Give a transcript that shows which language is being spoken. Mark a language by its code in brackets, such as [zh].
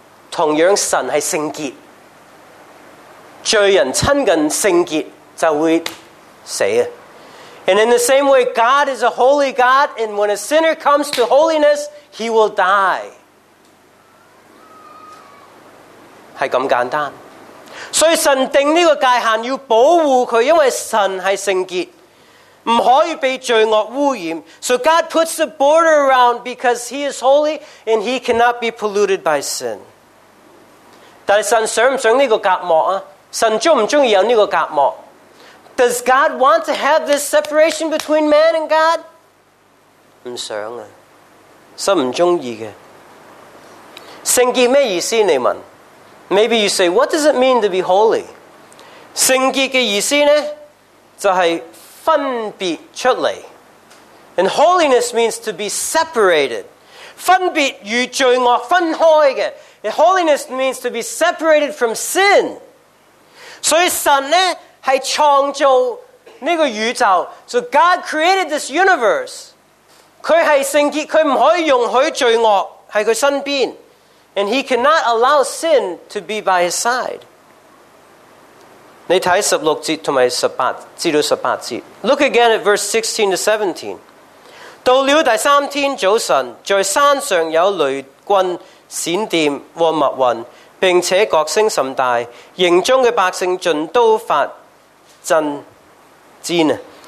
[zh] 同样神是圣洁，罪人亲近圣洁就会死。 [en] And in the same way, God is a holy God, and when a sinner comes to holiness, he will die. [zh] 是这么简单。所以神定这个界限要保护他，因为神是圣洁，不可以被罪恶污染。 [en] So God puts the border around because he is holy and he cannot be polluted by sin. [zh] 但是神想不想这个隔膜啊？神喜不喜欢有这个隔膜？ [en] Does God want to have this separation between man and God? [zh] 不想啊，神不喜欢的。圣洁什么意思你问？ [en] Maybe you say, what does it mean to be holy? [zh] 圣洁的意思呢，就是分别出来。 [en] And holiness means to be separated. [zh] 分别与罪恶分开的。 [en] Holiness means to be separated from sin. [zh] 所以神呢是创造这个宇宙。 [en] So God created this universe. [zh] 祂是圣洁，祂不可以容许罪恶在祂身边。 [en] And he cannot allow sin to be by his side. [zh] 你看十六节和十八节到十八节。 [en] Look again at verse 16 to 17. [zh] 到了第三天早晨，在山上有雷军闪电和密云，并且角声甚大，营中的百姓尽都发震颤。